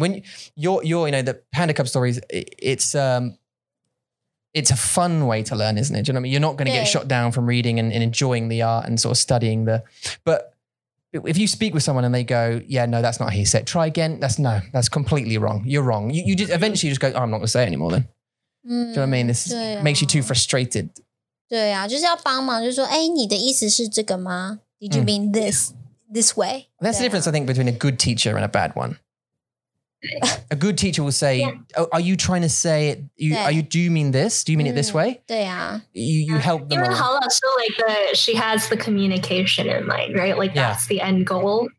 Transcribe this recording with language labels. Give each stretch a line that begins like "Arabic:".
English: When you're you know, the Panda Cub stories, it's a fun way to learn, isn't it? Do you know what I mean? You're not going to get shot down from reading and enjoying the art and sort of studying the, but if you speak with someone and they go, yeah, no, that's not how you say it. Try again. That's completely wrong. You're wrong. You just eventually just go, oh, I'm not going to say it anymore then. Do you know what I mean? This makes you too frustrated.
Chinese: 对啊,就是要帮忙,就是说,诶,你的意思是这个吗?
English: Did you mean this way? That's the difference, I think, between a good teacher and a bad one. A good teacher will say, oh, are you trying to say it? Do you mean this? Do you mean it this way? You help them. Even Hala, so like she has the communication in mind, right? Like that's the end goal.